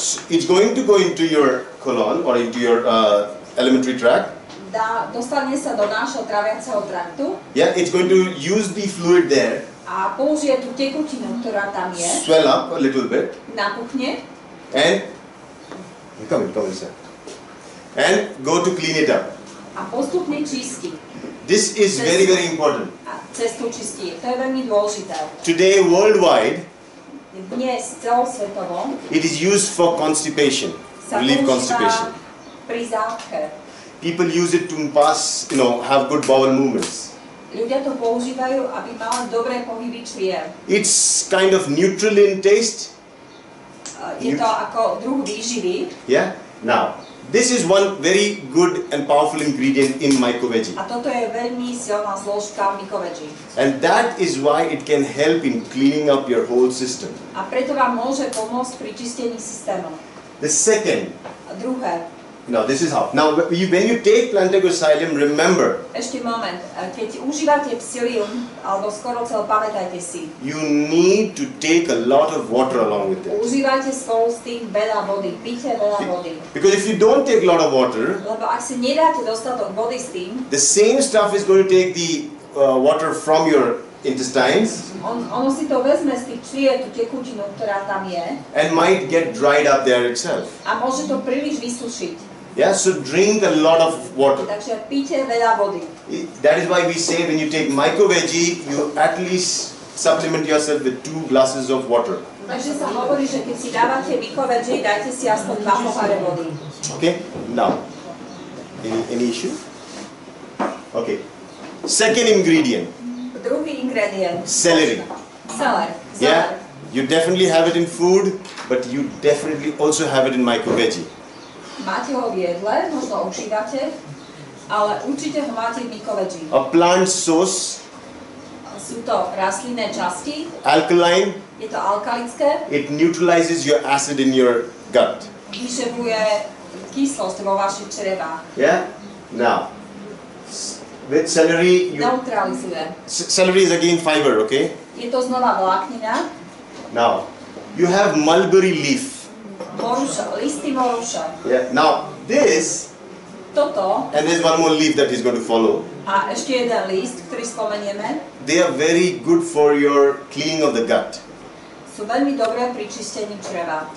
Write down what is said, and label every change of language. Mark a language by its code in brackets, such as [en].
[en] it's going to go into your colon or into your alimentary tract. [sk] Dostane sa do nášho traviaceho traktu. [en] Yeah, it's going to use the fluid there. [sk] A použije tú tekutinu, ktorá tam je. [en] Swell up a little bit. [sk] Napuchne. [en] And Come inside. And go to clean it up. [sk] A postupne čisti. [en] This is very, very important. [sk] A cestu čistí. To je veľmi dôležité. [en] Today, worldwide, [sk] dnes celosvetovo, [en] it is used for constipation, relief constipation. [sk] Pri zápche. [en] People use it to pass, you know, have good bowel movements. [sk] Ľudia to používajú, aby mali dobré pohyby čriev. [en] It's kind of neutral in taste. [sk] Je to ako druh výživy. [en] Yeah. Now, this is one very good and powerful ingredient in MycoVeggie. [sk] A toto je veľmi silná zložka v MycoVeggie. [en] And that is why it can help in cleaning up your whole system. [sk] A preto vám môže pomôcť pri čistení systému. [en] The second. [sk] A druhé. [en] No, this is how. Now, when you take plantago psyllium, remember. [sk] Ešte moment. Keď užívate psyllium, alebo skorocel, pamätajte si. [en] You need to take a lot of water along with it. [sk] Užívajte spolu s tým veľa vody. Píte veľa vody. [en] Because if you don't take a lot of water. [sk] Lebo ak si nedáte dostatok vody s tým. [en] The same stuff is going to take the water from your intestines. [sk] Ono si to vezme z tých čriev, tú tekutinu, ktorá tam je. [en] And might get dried up there itself. [sk] A môže to príliš vysušiť. [en] Yeah, so drink a lot of water. [sk] Takže píte veľa vody. [en] That is why we say when you take MycoVeggie, you at least supplement yourself with 2 glasses of water. [sk] Takže sa hovorí, že keď si dávate MycoVeggie, dajte si aspoň 2 poháre vody. [en] Okay, now. Any issue? Okay. Second ingredient. [sk] Druhý ingredient. [en] Celery. Celery. Yeah, you definitely have it in food, but you definitely also have it in MycoVeggie. [sk] Máte ho v jedle, možno užívate, ale určite ho máte v MycoVeggie. [en] A plant source. [sk] Sú to rastlinné časti. [en] Alkaline. [sk] Je to alkalické. [en] It neutralizes your acid in your gut. [sk] Vyšetruje kyslosť vo vašich črevách. [en] Yeah, now. With celery, you [sk] neutralizuje. [en] Celery is again fiber, okay? [sk] Je to znova vláknina. [en] Now, you have mulberry leaf. [sk] Moruša, listy moruša. [en] Yeah. Now, this. [sk] Toto. [en] And there's one more leaf that is going to follow. [sk] A ešte jeden list, ktorý spomenieme. [en] They are very good for your cleaning of the gut. [sk] Sú veľmi dobré pri čistení čreva.